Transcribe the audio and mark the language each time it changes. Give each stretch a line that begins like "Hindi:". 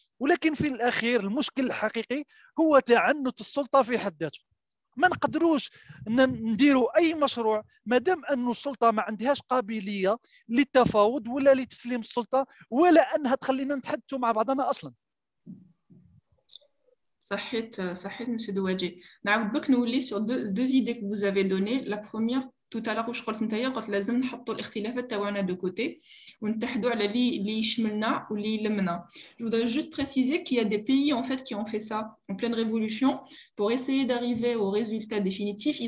Arabic: ولكن في الأخير المشكل الحقيقي هو تعنت السلطة في حد ذاته. ما نقدروش نديروا أي مشروع مادام أن السلطة ما عندهاش قابلية للتفاوض ولا لتسليم السلطة ولا أنها تخلينا نتحدثوا مع بعضنا أصلاً.
French: صحيت monsieur Douadji.
Arabic: نعاود برك نولي
French: sur deux idées que vous avez données. La première tout à l'heure
Arabic: واش قلت نتايا، قلت لازم نحطوا الاختلافات تاعنا دو كوتي ونتحدوا على اللي يشملنا واللي يلمنا.
French: Je voudrais juste préciser qu'il y a des pays en fait qui ont fait ça en pleine révolution pour essayer d'arriver au résultat définitif.